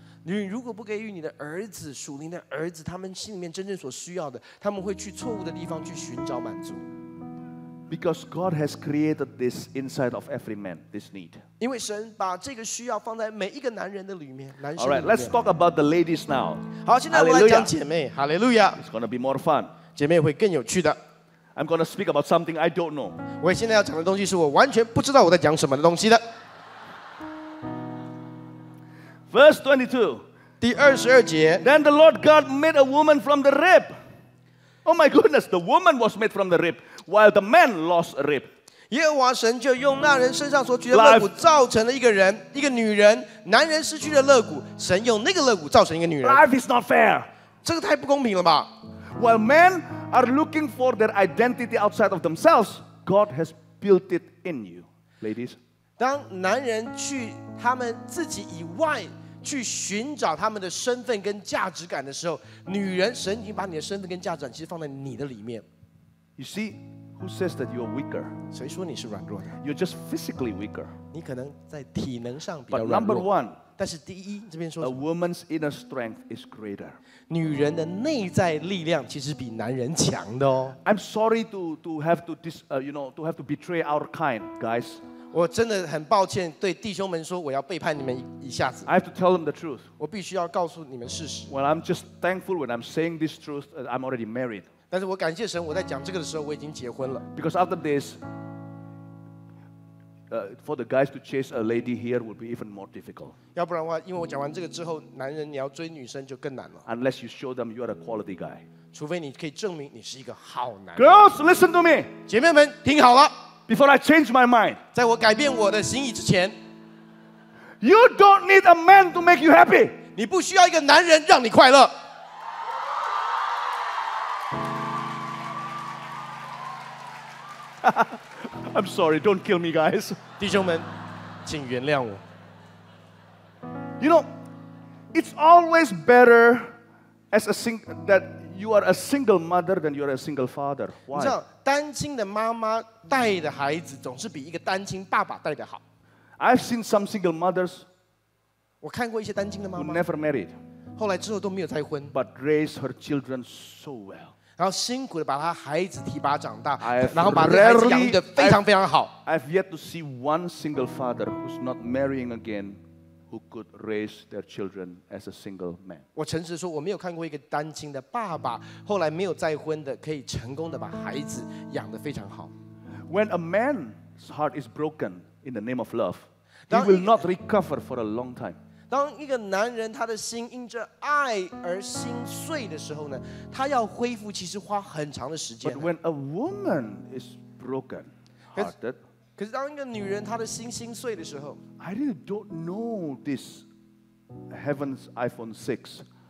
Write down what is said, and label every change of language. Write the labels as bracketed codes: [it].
[zh] 你如果不给予你的儿子，属灵的儿子，他们心里面真正所需要的，他们会去错误的地方去寻找满足。 [en] Because God has created this inside of every man, this need. [zh] 因为神把这个需要放在每一个男人的里面，男生里面。 [en] All right, let's talk about the ladies now. [zh] 好，现在我们来讲姐妹。Hallelujah. [en] It's going to be more fun. [zh] 姐妹会更有趣的。 [en] I'm going to speak about something I don't know. [zh] 我现在要讲的东西是我完全不知道我在讲什么的东西的。 [en] Verse 22. [zh] 第二十二节。 [en] Then the Lord God made a woman from the rib. Oh my goodness, the woman was made from the rib, while the man lost a rib. [zh] 耶和华神就用那人身上所取的肋骨造成了一个人，一个女人。男人失去了肋骨，神用那个肋骨造成一个女人。 [en] Life is not fair. [zh] 这个太不公平了吧。 [en] While men are looking for their identity outside of themselves, God has built it in you, ladies. [zh] 当男人去他们自己以外去寻找他们的身份跟价值感的时候，女人神已经把你的身份跟价值感其实放在你的里面。 [en] You see, who says that you are weaker? [zh] 谁说你是软弱的？ [en] You're just physically weaker. [zh] 你可能在体能上比较软弱。 [en] But number one, [zh] 但是第一，这边说 [en] a woman's inner strength is greater. [zh] 女人的内在力量其实比男人强的哦。 [en] I'm sorry to have to dis, you know, to have to betray our kind, guys. [zh] 我真的很抱歉，对弟兄们说，我要背叛你们一下子。 [en] I have to tell them the truth. [zh] 我必须要告诉你们事实。 [en] Well, I'm just thankful when I'm saying this truth. I'm already married. [zh] 但是我感谢神，我在讲这个的时候，我已经结婚了。 [en] Because after this, for the guys to chase a lady here would be even more difficult. [zh] 要不然的话，因为我讲完这个之后，男人你要追女生就更难了。 [en] Unless you show them you are a quality guy. [zh] 除非你可以证明你是一个好男人。 [en] Girls, listen to me. [zh] 姐妹们，听好了。 [en] Before I change my mind, [zh] 在我改变我的心意之前 [en] you don't need a man to make you happy. [zh] 你不需要一个男人让你快乐。 [en] I'm sorry, don't kill me, guys. [zh] 弟兄们，请原谅我。 [en] You know, it's always better as a single that you are a single mother than you are a single father. Why? [zh] 单亲的妈妈带的孩子总是比一个单亲爸爸带的好。 [en] I've seen some single mothers. [zh] 我看过一些单亲的妈妈。 [en] Who never married. [zh] 后来之后都没有再婚。 [en] But raise her children so well. [zh] 然后辛苦的把她孩子提拔长大，然后把孩子养得非常非常好。 [en] I've yet to see one single father who's not marrying again who could raise their children as a single man. [zh] 我诚实说，我没有看过一个单亲的爸爸，后来没有再婚的，可以成功的把孩子养得非常好。 [en] When a man's heart is broken in the name of love, he will not recover for a long time. [zh] 当一个男人他的心因着爱而心碎的时候呢，他要恢复其实花很长的时间。 [en] But when a woman is broken hearted, [zh] 可是当一个女人她的心心碎的时候 [en] ，I really don't know this heaven's iPhone 6。